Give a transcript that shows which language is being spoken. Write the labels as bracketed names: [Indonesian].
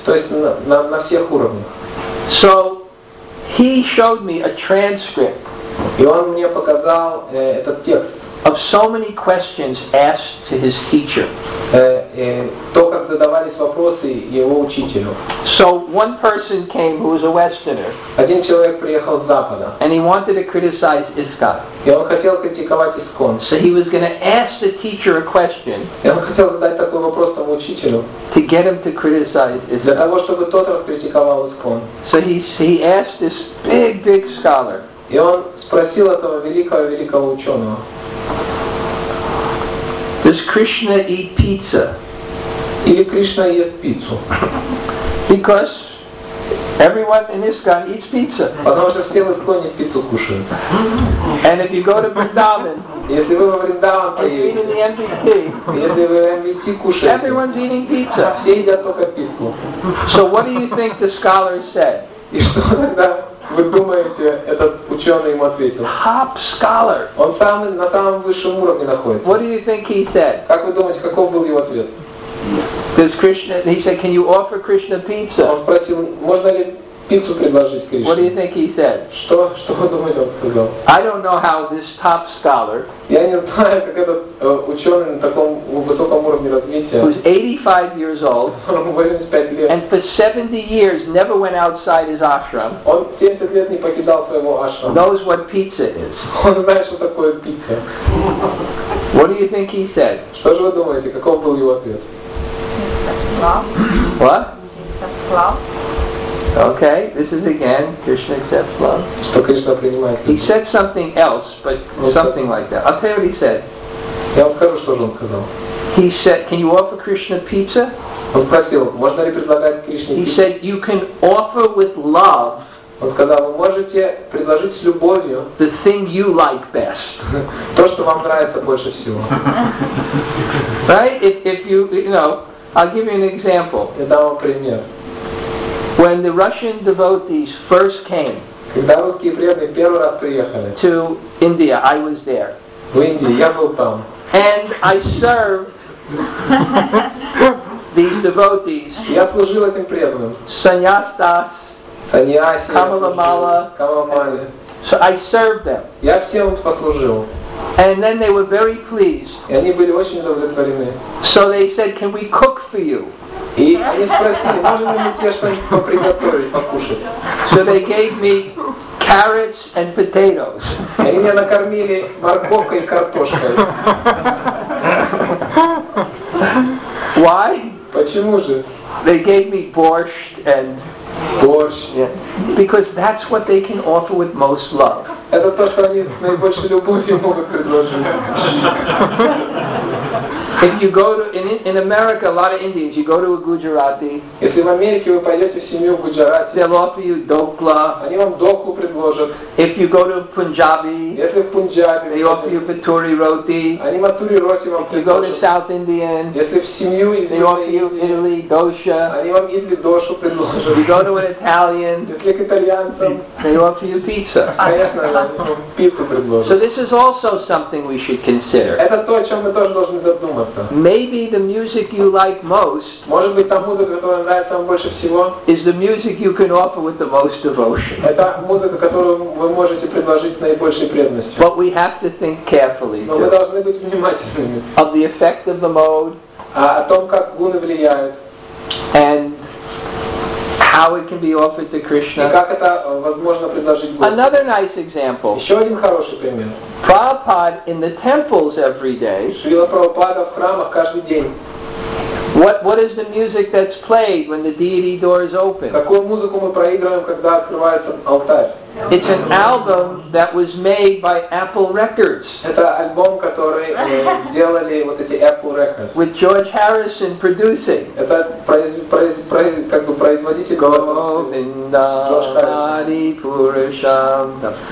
[Russian] То есть на всех уровнях. [English] So he showed me a transcript. [Russian] И он мне показал этот текст. [English] Of so many questions asked to his teacher. [Russian] То, как задавались вопросы его учителю. [English] So one person came who was a Westerner. [Russian] Один человек приехал с Запада. [English] And he wanted to criticize ISKCON. [Russian] И он хотел критиковать ISKCON. [English] So he was going to ask the teacher a question. [Russian] И он хотел задать такой вопрос тому учителю. [English] To get him to criticize ISKCON. [Russian] Для того, чтобы тот раскритиковал ISKCON. [English] So he asked this big, big scholar. [Russian] И он спросил этого великого-великого ученого. [English] Does Krishna eat pizza? [Russian] Или Кришна ест пиццу? [English] Because everyone in ISKCON eats pizza. [Russian] Потому что все в ISKCON пиццу кушают. [English] And if you go to Vrindavan, [Russian] если вы во Вриндаван поедете, если вы в MVT кушаете, [English] everyone's eating pizza. [Russian] Все едят только пиццу. [English] So what do you think the scholar said? [Russian] И что тогда вы думаете, этот ученый ему ответил? [English] Top scholar. [Russian] Он сам на самом высшем уровне находится. [English] What do you think he said? [Russian] Как вы думаете, каков был его ответ? [English] Does Krishna? He said, "Can you offer Krishna pizza?" [Russian] Он спросил, можно ли пиццу предложить Кришне? [English] What do you think he said? [Russian] Что вы думаете, он сказал? [English] I don't know how this top scholar. [Russian] Я не знаю, как этот ученый на таком высоком уровне развития. [English] Who's 85 years old? [Russian] Он 85 лет. [English] And for 70 years never went outside his ashram. [Russian] Он 70 лет не покидал своего ашрама. [English] Knows what pizza is. [Russian] Он знает, что такое пицца. [English] What do you think he said? [Russian] Что же вы думаете, каков был его ответ? [English] Love. What? Accepts love. Okay, this is again, Krishna accepts love. [Russian] Что Кришна принимает любовь. [English] He said something else, but something like that. I'll tell you what he said. [Russian] Я вам скажу, что же он сказал. [English] He said, can you offer Krishna pizza? [Russian] Он спросил, можно ли предлагать Кришне пиццу? [English] He said, you can offer with love. [Russian] Он сказал, вы можете предложить с любовью [English] the thing you like best. [Russian] То, что вам нравится больше всего. [English] Right? If you, you know, I'll give you an example. [Russian] Я дам вам пример. [English] When the Russian devotees first came to India, I was there. [Russian] В Индии, я был там. [English] And I served these devotees. [Russian] Я служил этим преданным. Саньястас. Саньяси. Камаламала. Камамали. [English] So I served them. [Russian] Я всем послужил. [English] And then they were very pleased. [Russian] И они были очень удовлетворены. [English] So they said, can we cook for you? [Russian] И они спросили, можем ли мы тебе что-нибудь поприготовить, покушать? [English] So they gave me carrots and potatoes. [Russian] И они меня накормили морковкой и картошкой. [English] Why? [Russian] Почему же? [English] They gave me borscht and... Borscht. Yeah. Because that's what they can offer with most love. [Russian] Это то, что они с наибольшей любовью могут предложить. [English] If you go to in America, a lot of Indians, you go to a Gujarati. [Russian] Если в Америке вы пойдете в семью Гуджарати, [English] they'll offer you dokla. [Russian] Они вам доку предложат. [English] If you go to Punjabi, [Russian] если в Пунджабе, [English] they offer you paturi roti. [Russian] Они матури роти вам предложат. [English] If you go to South Indian, [Russian] если в семью из [English] they offer you idli dosha. [Russian] Они вам идли дошу предложат. [English] If you go to an Italian, [Russian] если к итальянцам, [English] they offer you pizza. [Russian] Пиццу предложат. [English] So this is also something we should consider. [Russian] Это то, о чем мы тоже должны задуматься. [English] Maybe the music you like most [Russian] может быть та музыка, которая нравится вам больше всего [English] is the music you can offer with the most devotion. [Russian] Это музыка, которую вы можете предложить с наибольшей преданностью. [English] But we have to think carefully. [Russian] Но мы должны быть внимательными. [English] Of the effect of the mode. [Russian] О том, как гуны влияют. [English] And how it can be offered to Krishna. [Russian] И как это возможно предложить гуну. [English] Another nice example. [Russian] Еще один хороший пример. [English] Prabhupada in the temples every day. [Russian] Шрила Прабхупада в храмах каждый день. [English] What is the music that's played when the deity door is open? [Russian] Какую музыку мы проигрываем, когда открывается алтарь? [English] It's an album that was made by Apple Records. [Russian] Это альбом, который сделали вот эти Apple Records. [English] With George Harrison producing. [Russian] Это производитель [Sanskrit] Govardhani Purusham.